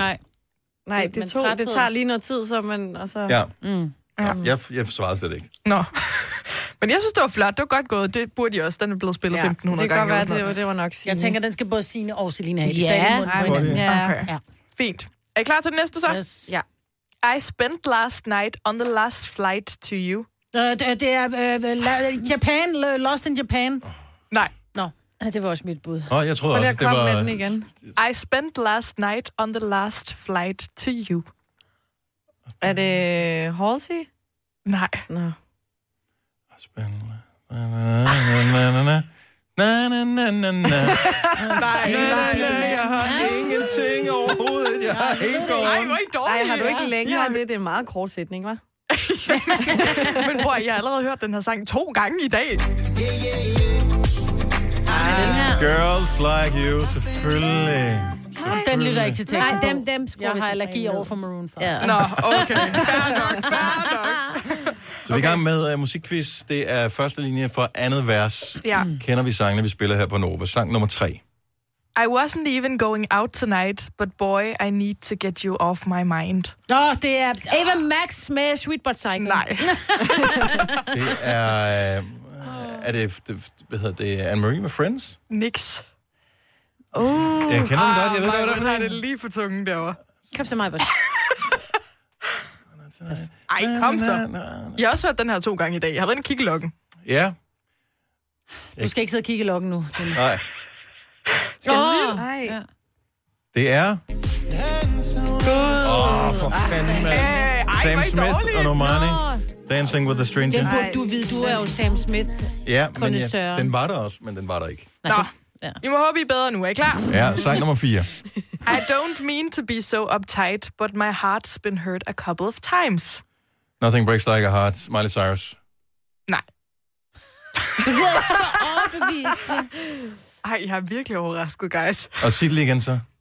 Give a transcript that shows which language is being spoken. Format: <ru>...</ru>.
<da>Nej, det tager lige noget tid, så man... Og så... Ja. Mm. Jeg svarede slet ikke. Nå. Men jeg synes, det var flot. Det var godt gået. Det burde I også. Den er blevet spillet 1500 gange. Det kan være, det var nok Signe. Jeg tænker, den skal både Signe og Selina have. Ja. Fint. Er I klar til den næste så?</da> <en>Yes.</en> <da>Ja.</da> <en>I spent last night on the last flight to you.</en> <da>Det er Japan. Lost in Japan. Nej. Det var også mit bud. Oh, jeg tror også, det var... Med den igen.</da> <en>I spent last night on the last flight to you.</en> <da>Er det Halsey? Nej.</da> <en>No. I spent last night...</en> <da>Nej, jeg har ingenting overhovedet. Jeg har helt gået. Ej, hvor er I dårlig. Ej, har du ikke længere det? Det er en meget kort sætning, hva'? Men bror, jeg har allerede hørt den her sang 2 gange i dag. Girls like you, selvfølgelig. Den lytter ikke til teksten. Nej, dem skruer. Jeg har allergi over for Maroon 5. Yeah. Nå, okay. Fair nok. Okay. Så vi er i gang med musikquiz. Det er første linje for andet vers. Ja. Kender vi sangene, vi spiller her på Nova. Sang nummer 3.</da> <en>I wasn't even going out tonight, but boy, I need to get you off my mind.</en> <da>Nå, det er Ava Max med Sweet But Psycho. Nej. Det er... Er det Anne-Marie med Friends? Nix. Jeg kender den godt. Jeg ved, hvad der er. Har det lige på tungen derovre. Kom til mig, bud. Ej, kom så. Jeg har også hørt den her 2 gange i dag. Jeg har været inde og kigge lokken. Ja. Du skal ikke sidde og kigge lokken nu. Nej. Skal du sige det? Nej. Det er... For fanden, mand. Sam Smith og Normani. Dancing with a Stranger. Den burde du vide, du er jo Sam Smith. Ja, men den var der også, men den var der ikke. Nå, I må håbe, I er bedre nu. Er I klar? Ja, sang nummer 4.</da> <en>I don't mean to be so uptight, but my heart's been hurt a couple of times. Nothing breaks like a heart. Miley Cyrus.</en> <da>Nej. Du er så overbevist. Ej, jeg har virkelig overrasket, guys. Og sig det lige igen så.</da>